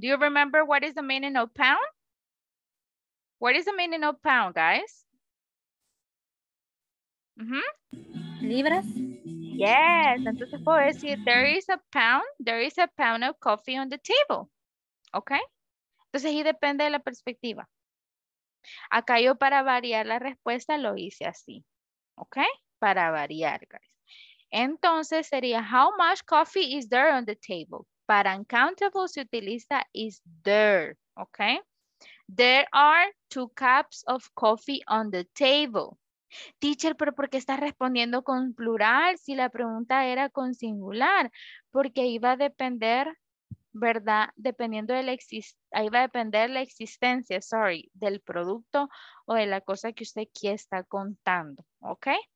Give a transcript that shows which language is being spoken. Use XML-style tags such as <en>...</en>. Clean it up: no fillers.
<en>Do you remember what is the meaning of pound? What is the meaning of pound, guys?</en> <es>Mm-hmm. Libras.</es> <en>Yes.</en> <es>Entonces puedo decir,</es> <en>there is a pound. There is a pound of coffee on the table.</en> <es>Okay. Entonces ahí depende de la perspectiva. Acá yo para variar la respuesta lo hice así. Okay. Para variar, guys. Entonces sería,</es> <en>how much coffee is there on the table?</en> <es>Para uncountable se utiliza is there, ¿ok?</es> <en>There are two cups of coffee on the table.</en> <es>Teacher, ¿pero por qué estás respondiendo con plural si la pregunta era con singular? Porque ahí va a depender, ¿verdad? Dependiendo de la existencia, ahí va a depender la existencia, sorry, del producto o de la cosa que usted aquí está contando, ¿ok?</es>